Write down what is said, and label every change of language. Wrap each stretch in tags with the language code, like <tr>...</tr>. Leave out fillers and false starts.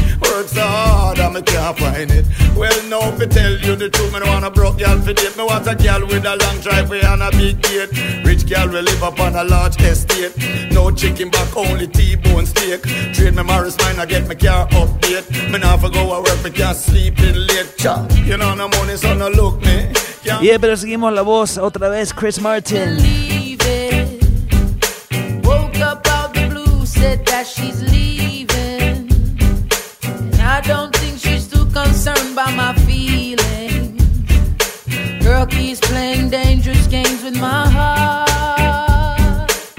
<en>Works hard and me can't find it. Well, now if I tell you the truth, me don't want a broke girl for date. Me want a girl with a long driveway and a big gate. Rich girl will live up on a large estate. No chicken back, only T-bone steak. Trade me Morris mine, I get my car update. Me not for go to work, me can't sleep in late. Cha, you know no money, so no look me. Can't yeah,</en> <es>pero seguimos la voz otra vez, Chris Martin.</es> <en>Believe it. Woke up out the blue, said that she's leaving. I don't think she's too concerned by my feelings. Girl keeps playing dangerous games with my heart.</en>